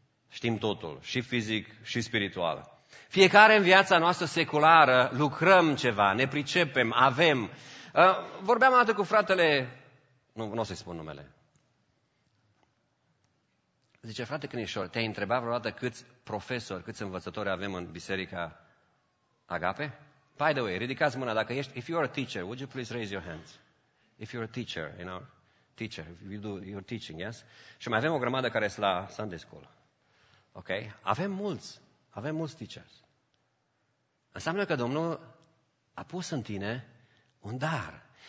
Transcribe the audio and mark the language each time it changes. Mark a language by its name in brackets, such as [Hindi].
[Romanian] Știm totul, și fizic, și spiritual. Fiecare în viața noastră seculară lucrăm ceva, ne pricepem, avem. Vorbeam odată cu fratele, nu o să-i spun numele. Zice, frate Cânișor, te-ai întrebat vreodată câți profesori, câți învățători avem în biserica Agape? [English] By the way, ridicați mâna dacă ești, if you are a teacher, would you please raise your hands? If you're a teacher, you know, teacher, you do your teaching, yes? [Romanian] Și mai avem o grămadă care sunt la Sunday School. Ok? Avem mulți teachers. Înseamnă că Domnul a pus în tine un dar.